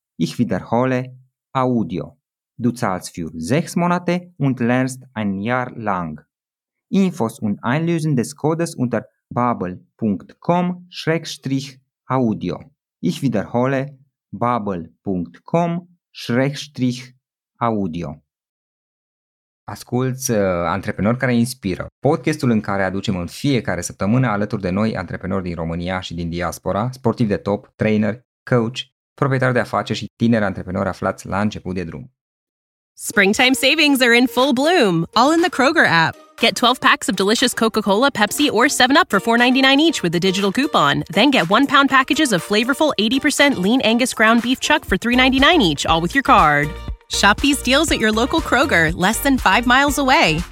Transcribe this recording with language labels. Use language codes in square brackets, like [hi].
[de] Ich wiederhole, AUDIO. Du zahlst für 6 Monate und lernst ein Jahr lang. Infos und Einlösen des Codes unter bubble.com/audio. Ich wiederhole, bubble.com/audio. [ro] Asculți Antreprenori care inspiră, podcastul în care aducem în fiecare săptămână alături de noi antreprenori din România și din diaspora, sportivi de top, trainer, coach, proprietari de afaceri și tineri antreprenori aflați la început de drum. [en] Springtime savings are in full bloom, all in the Kroger app. Get 12 packs of delicious Coca-Cola, Pepsi, or 7-Up for $4.99 each with a digital coupon. Then get 1-pound packages of flavorful 80% lean Angus ground beef chuck for $3.99 each, all with your card. Shop these deals at your local Kroger, less than 5 miles away.